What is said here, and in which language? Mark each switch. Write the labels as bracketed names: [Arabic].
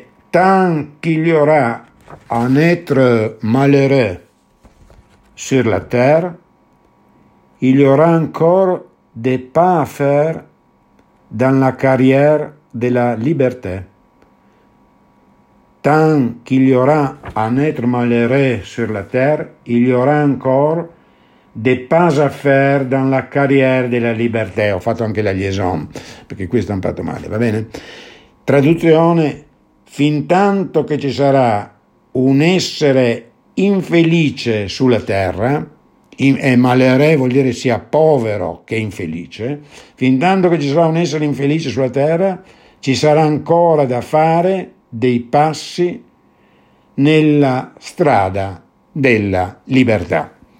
[French] tant qu'il y aura un être malheureux sur la terre, il y aura encore des pas à faire dans la carrière de la liberté. Tant qu'il y aura un être malheureux sur la terre, il y aura encore des pas à faire dans la carrière de la liberté. [Italian] Ho fatto anche la liaison, perché qui è stampato male, va bene? Traduzione: fin tanto che ci sarà un essere infelice sulla terra, e malere vuol dire sia povero che infelice, fin tanto che ci sarà un essere infelice sulla terra, ci sarà ancora da fare dei passi nella strada della libertà.